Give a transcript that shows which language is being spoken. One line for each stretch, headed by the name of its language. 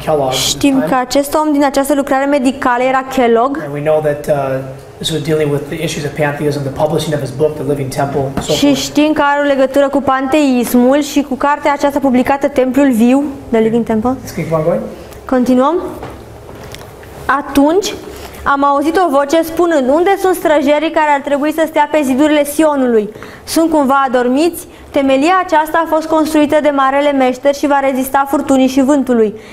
Romanian: Știm că acest om din această lucrare medicală era Kellogg.
English: And we know that, so dealing with the issues of pantheism, the publishing of his book The Living Temple.
Romanian: Și știm că are o legătură cu panteismul și cu cartea aceasta publicată Templul Viu, The Living Temple. Continuăm. Atunci am auzit o voce spunând: unde sunt străjerii care ar trebui să stea pe zidurile Sionului? Sunt cumva adormiți? Temelia aceasta a fost construită de marele meșter și va rezista furtunii și vântului.